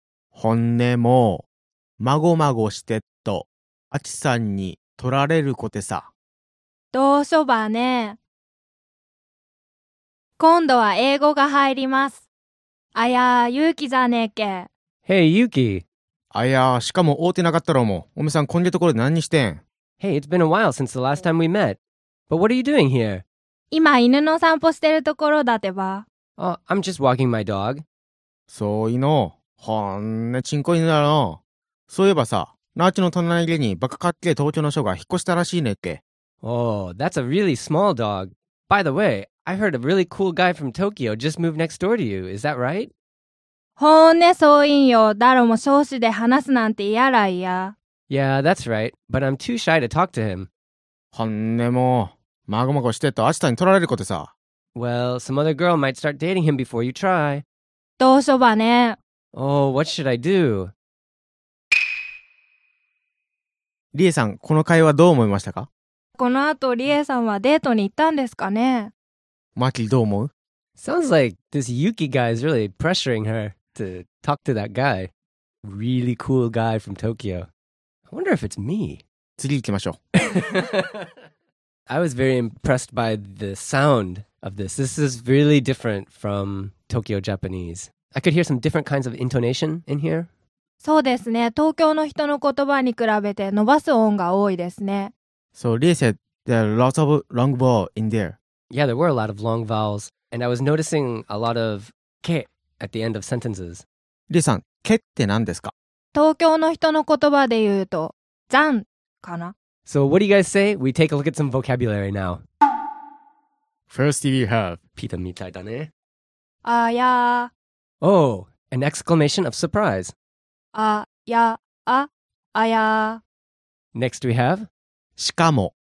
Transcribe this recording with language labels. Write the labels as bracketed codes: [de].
[ja] ほんねもう、まごまごしてっと、あちさんに取られるこてさ。どうしょばね。今度は英語が入ります。あやー、ゆうきじゃねえけ。 [en] Hey, Yuki. [ja] あやー、しかも会うてなかったろも。おめさん、こんげところで何にしてん？ [en] Hey, it's been a while since the last time we met. But what are you doing here? [ja] 今犬の散歩してるところだてば。 [en] Oh, I'm just walking my dog. [ja] そういの。ほんねちんこ犬だろ。そういえばさ、ナーチの隣家にバカかっけえ東京の人が引っ越したらしいねっけ。 [en] Oh, that's a really small dog. By the way, I heard a really cool guy from Tokyo just moved next door to you. Is that right? [ja] ほんねそういんよ。だろも少子で話すなんていやらいや。 [en] Yeah, that's right. But I'm too shy to talk to him. [ja] ほんねもう、まごまごしてっと明日に取られることさ。 [en] Well, some other girl might start dating him before you try. [ja] どうしようばね。 [en] Oh, what should I do? [ja] リエさん、この会話どう思いましたか？この後、リエさんはデートに行ったんですかね？マキ、どう思う？ [en] Sounds like this Yuki guy is really pressuring her to talk to that guy. Really cool guy from Tokyo. I wonder if it's me. [ja] 次行きましょう。 [en] I was very impressed by the sound of this. This is really different from Tokyo Japanese. I could hear some different kinds of intonation in here. [ja] そうですね。東京の人の言葉に比べて伸ばす音が多いですね。 [en] So Lee said there are lots of long vowels in there. Yeah, there were a lot of long vowels. And I was noticing a lot of ke at the end of sentences. [ja] Lee さん、ke って何ですか？東京の人の言葉で言うと、残かな。 [en] So what do you guys say? We take a look at some vocabulary now. First you have [ja] ピタみたいだね。あや。 [en] Oh, an exclamation of surprise. [ja] あや、あ、あや。 [en] Next we have [ja] しかも。